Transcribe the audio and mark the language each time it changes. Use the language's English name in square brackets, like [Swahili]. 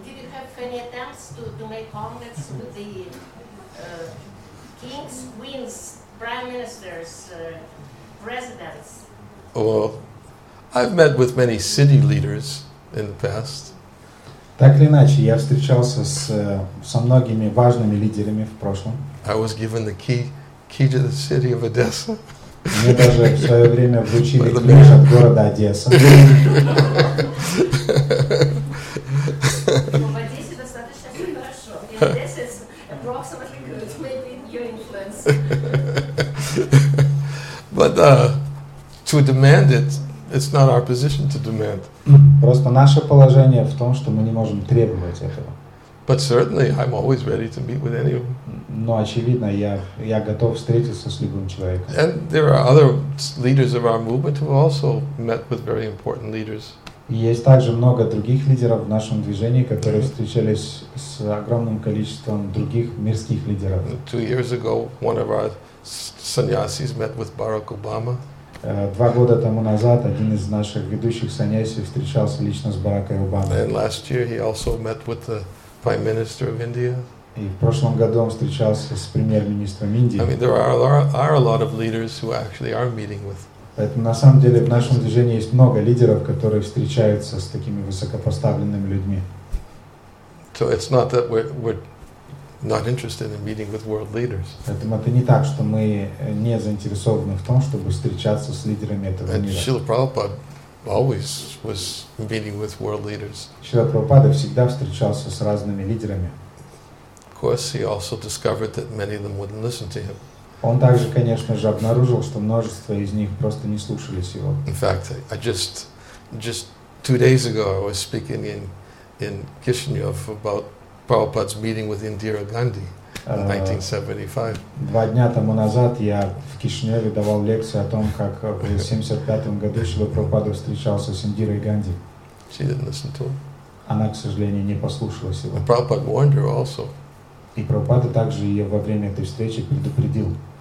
[English] Did you have any attempts to make contacts with the kings, queens, prime ministers, residents? Well, I've met with many city leaders in the past. [Russian] Так или иначе, я встречался со многими важными лидерами в прошлом. [English] I was given the key to the city of Odessa. [Russian] Мне даже в свое время вручили ключ от города Одесса. В Одессе достаточно все хорошо. [English] In Odessa is approximately good. Maybe your influence. But to demand it, it's not our position to demand. [Russian] Просто наше положение в том, что мы не можем требовать этого. [English] But certainly, I'm always ready to meet with anyone. [Russian] Но очевидно, я готов встретиться с любым человеком. [English] And there are other leaders of our movement who also met with very important leaders. [Russian] Есть также много других лидеров в нашем движении, которые встречались с огромным количеством других мирских лидеров. [English] 2 years ago, one of our sannyasis met with Barack Obama. [Russian] 2 года тому назад один из наших ведущих саньяси встречался лично с Бараком Обамой. [English] And last year he also met with the Prime Minister of India. [Russian] И в прошлом году он встречался с премьер-министром Индии. [English] I mean, there are a lot of leaders who actually are meeting with. [Russian] Поэтому на самом деле в нашем движении есть много лидеров, которые встречаются с такими высокопоставленными людьми. [English] So it's not that we're not interested in meeting with world leaders. [Russian] Поэтому это не так, что мы не заинтересованы в том, чтобы встречаться с лидерами этого мира. [English] And Шрила Прабхупада always was meeting with world leaders. [Russian] Шрила Прабхупада всегда встречался с разными лидерами. [English] Of course, he also discovered that many of them wouldn't listen to him. [Russian] Он также, конечно же, обнаружил, что множество из них просто не слушались его. [English] In fact, I just 2 days ago I was speaking in Kishinev about Prabhupada's meeting with Indira Gandhi in 1975. [Russian] Два дня тому назад я в Кишиневе давал лекцию о том, как в 1975 году Шрила Прабхупада встречался с Индирой Ганди. [English] She didn't listen to him. [Russian] Она, к сожалению, не послушалась его. [English] And Prabhupada warned her also. [Russian] И Прабхупада также ее во время этой встречи предупредил.